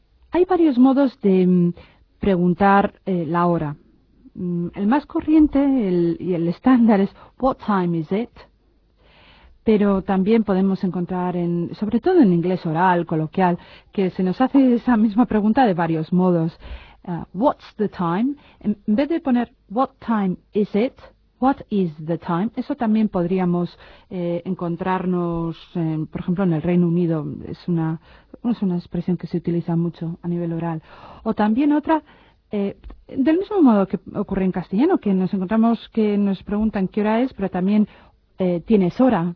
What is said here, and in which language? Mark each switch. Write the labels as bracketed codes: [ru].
[es] Hay varios modos de preguntar la hora. El más corriente y el estándar es [en] what time is it? [es] Pero también podemos encontrar, sobre todo en inglés oral, coloquial, que se nos hace esa misma pregunta de varios modos. [en] What's the time? [es] En vez de poner [en] what time is it, what is the time? [es] Eso también podríamos encontrarnos, por ejemplo, en el Reino Unido. Es una expresión que se utiliza mucho a nivel oral. O también otra, del mismo modo que ocurre en castellano, que nos encontramos que nos preguntan qué hora es, pero también tienes hora.